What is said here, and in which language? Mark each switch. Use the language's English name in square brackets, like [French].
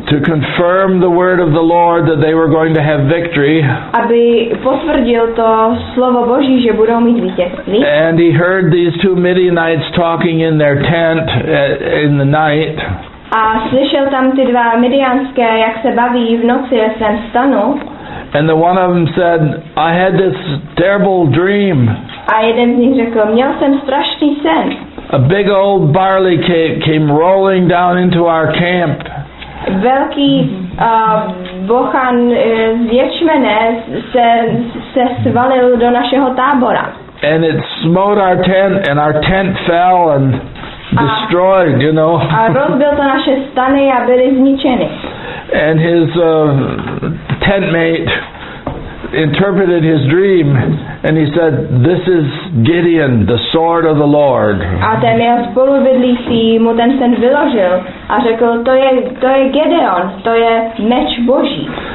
[English] To confirm the word of the Lord that they were going to have victory. [Czech] Aby potvrdil to slovo Boží, že budou mít vítězství. [English] And he heard these two Midianites talking in their tent in the night. [Czech] A slyšel tam ty dva Midianské, jak se baví v noci ve svém stanu. [English] And the one of them said, I had this terrible dream. [Czech] A jeden z nich řekl, měl jsem strašný sen. [English] A big old barley cake came rolling down into our camp. [Czech] Velký bochan z ječmene se svalil do našeho tábora. [English] And it smote our tent, and our tent fell and destroyed, you know. [Czech] A rozbil to naše stany a byly zničeny. [English] And his tent mate interpreted his dream and he said, this is Gideon, the sword of the Lord. [Czech] A ten jeho spolubydlící mu ten sen vyložil a řekl, to je Gideon, to je meč Boží.